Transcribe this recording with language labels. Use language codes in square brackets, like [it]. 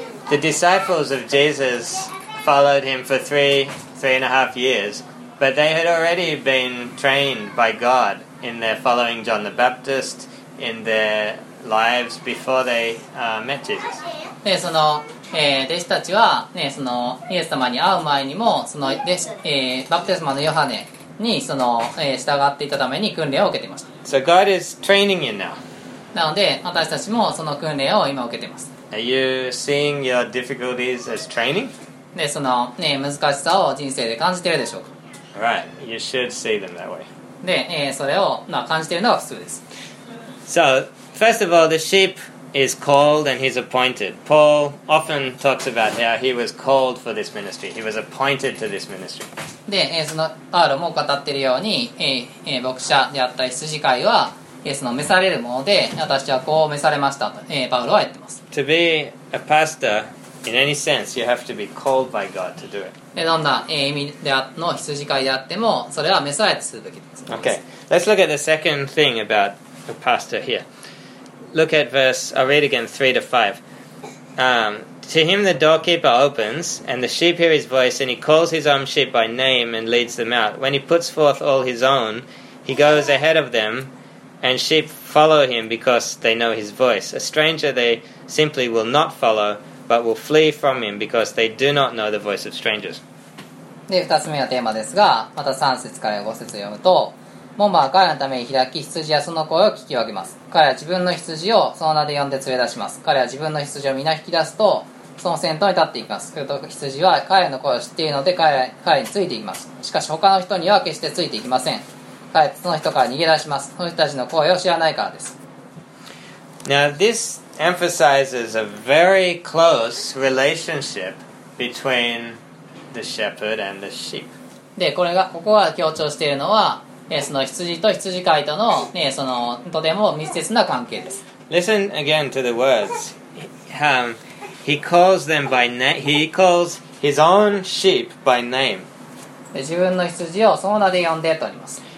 [en] The disciples of Jesus followed him for three and a half years, but they had already been trained by God in their following John the Baptist, in their lives before they met Jesus. [ja] で、その、弟子たちは、ね、そのイエス様に会う前にも、その弟子、バプテスマのヨハネ、にその従っていたために訓練を受けていました。 [en] So God is training you now. [ja] なので私たちもその訓練を今受けています。 [en] Are you seeing your difficulties as training? [ja] で、その、ね、難しさを人生で感じているでしょうか。 [en] Right. You should see them that way. [ja] で、それを、まあ、感じているのが普通です。 [en] So, first of all, the sheep is called and he's appointed. Paul often talks about how he was called for this ministry. He was appointed to this ministry. [ja] で、そのパウロも語っているように、牧者であった羊飼いは、その召されるもので、私はこう召されましたと、パウロは言っています。 [en] To be a pastor in any sense, you have to be called by God to do it. [ja] で、どんな意味であっての羊飼いであっても、それは召されてするべきです。 [en] Okay, let's look at the second thing about a pastor here. Look at verse, I'll read again 3-5. To him the doorkeeper opens, and the sheep hear his voice, and he calls his own sheep by name and leads them out. When he puts forth all his own, he goes ahead of them, and sheep follow him because they know his voice. A stranger they simply will not follow, but will flee from him because they do not know the voice of strangers. [ja] で、二つ目のテーマですが、また三節から五節読むと、門番は彼らのために開き、羊やその声を聞き分けます。彼は自分の羊をその名で呼んで連れ出します。彼は自分の羊を皆引き出すと、その先頭に立っていきます。すると羊は彼らの声を知っているので彼らについていきます。しかし他の人には決してついていきません。彼はその人から逃げ出します。その人たちの声を知らないからです。 [en] Now this emphasizes a very close relationship between the shepherd and the sheep. [ja] で、これが、ここが強調しているのは、その羊と羊飼いとの、そのとても密接な関係です。 [en] Listen again to the words. He calls them by name. He calls his own sheep by name. [ja] 自分の羊をその名で呼んでとあります。